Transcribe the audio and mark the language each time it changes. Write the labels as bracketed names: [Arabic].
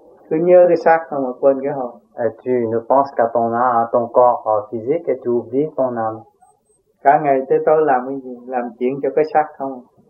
[Vietnamese] Tu nhớ cái xác mà quên cái hồn. [French] Et tu ne penses qu'à ton âme, à ton corps physique et tu oublies ton âme. [Vietnamese] Cả ngày tới tối làm cái gì? Làm chuyện cho cái xác không?